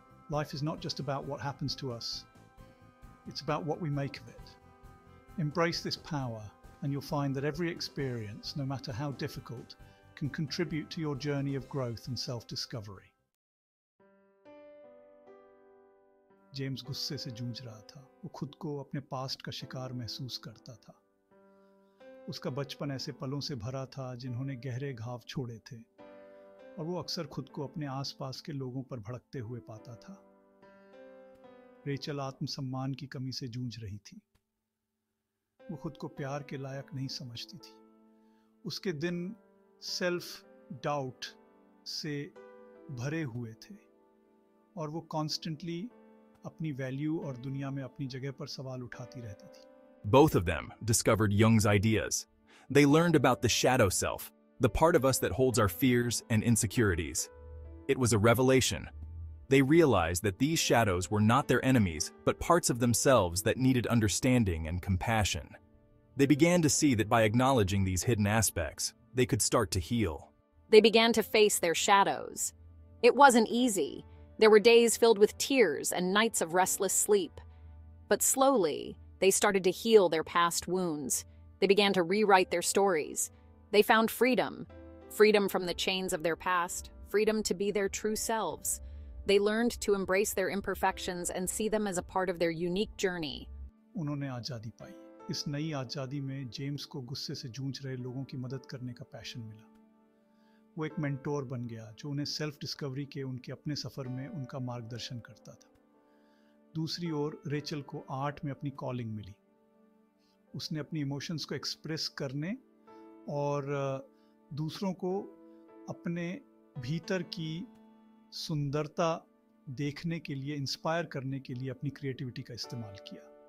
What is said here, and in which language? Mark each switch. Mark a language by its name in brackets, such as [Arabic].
[English] Life is not just about what happens to us, it's about what we make of it. Embrace this power, and you'll find that every experience, no matter how difficult, can contribute to your journey of growth and self-discovery. [Hindi] James गुस्से से जूझ रहा था। वो खुद को अपने past का शिकार महसूस करता था। उसका बचपन ऐसे पलों से भरा था जिन्होंने गहरे घाव छोड़े थे, और वो अक्सर खुद को अपने आसपास के लोगों पर भड़कते हुए पाता था। रेचल आत्मसम्मान की कमी से जूझ रही थी। वो खुद को प्यार के लायक नहीं समझती थी। उसके दिन सेल्फ डाउट से भरे हुए थे, और वो कॉन्स्टेंटली अपनी वैल्यू और दुनिया में अपनी जगह पर सवाल उठाती रहती थी। [English] Both of them discovered Jung's ideas. They learned about the shadow self, the part of us that holds our fears and insecurities. It was a revelation. They realized that these shadows were not their enemies, but parts of themselves that needed understanding and compassion. They began to see that by acknowledging these hidden aspects, they could start to heal. They began to face their shadows. It wasn't easy. There were days filled with tears and nights of restless sleep. But slowly, they started to heal their past wounds. They began to rewrite their stories. They found freedom. Freedom from the chains of their past. Freedom to be their true selves. They learned to embrace their imperfections and see them as a part of their unique journey. [Hindi] उन्होंने आजादी पाई। इस नई आजादी में James को गुस्से से जूझ रहे लोगों की मदद करने का पैशन मिला। वो एक मेंटोर बन गया जो उन्हें सेल्फ डिस्कवरी के उनके अपने सफर में उनका मार्गदर्शन करता था। दूसरी ओर रेचल को आर्ट में अपनी कॉलिंग मिली। उसने अपनी इमोशंस को एक्सप्रेस करने और दूसरों को अपने भीतर की सुंदरता देखने के लिए इंस्पायर करने के लिए अपनी क्रिएटिविटी का इस्तेमाल किया।